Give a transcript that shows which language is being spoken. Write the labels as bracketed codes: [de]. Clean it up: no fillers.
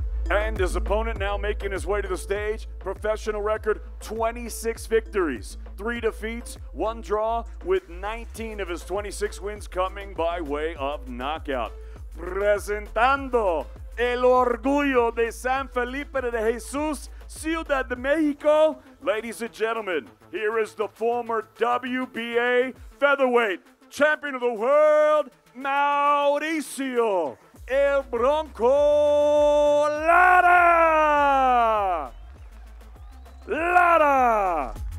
[en] And his opponent now making his way to the stage, professional record, 26 victories, 3 defeats, 1 draw, with 19 of his 26 wins coming by way of knockout. [es] Presentando el orgullo de San Felipe de Jesús, Ciudad de México. [en] Ladies and gentlemen, here is the former WBA featherweight champion of the world, Mauricio El Bronco Lara! Lara!